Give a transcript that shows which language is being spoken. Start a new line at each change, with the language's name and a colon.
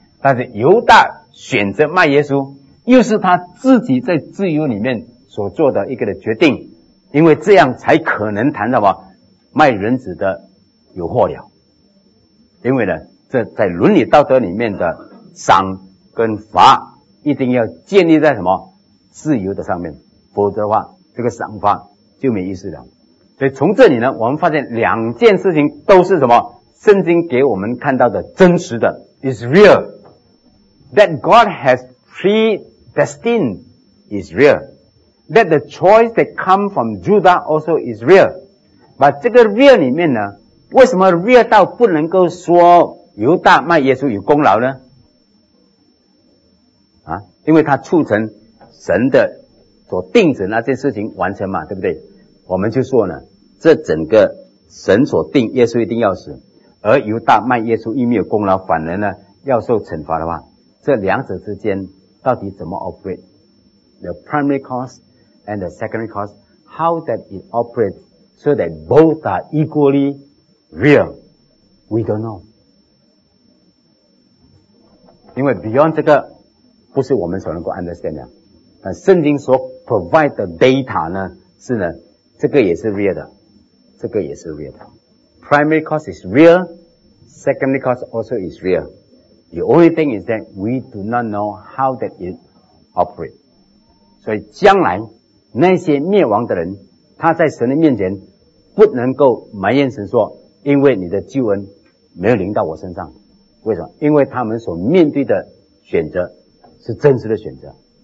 Chinese: 但是犹大选择卖耶稣又是他自己在自由里面所做的一个的决定，因为这样才可能谈到卖人子的有祸了。因为呢这在伦理道德里面的赏跟罚一定要建立在什么？自由的上面，否则的话这个赏罚就没意思了。所以从这里呢我们发现两件事情都是什么？圣经给我们看到的真实的
English: is real， that God has predestined is real， that the choice that come from Judah also is real。
Chinese: 把这个 real 里面呢，为什么 real 到不能够说犹大卖耶稣有功劳呢？啊，因为他促成神的所定旨那件事情完成嘛，对不对？我们就说呢，这整个神所定耶稣一定要死，而犹大卖耶稣因没有功劳反而呢要受惩罚的话，这两者之间到底怎么 operate？
English: The primary cause and the secondary cause， how that it operates so that both are equally real， we don't know。
Chinese: 因为 beyond 这个不是我们所能够 understand 的。但圣经所 provide 的 data 呢，是呢这个也是 real 的，这个也是 real 的。
English: primary cause is real， secondary cause also is real， the only thing is that we do not know how that it operate。
Chinese: 所以将来那些灭亡的人，他在神的面前不能够埋怨神说因为你的救恩没有临到我身上。为什么？因为他们所面对的选择是真实的选择。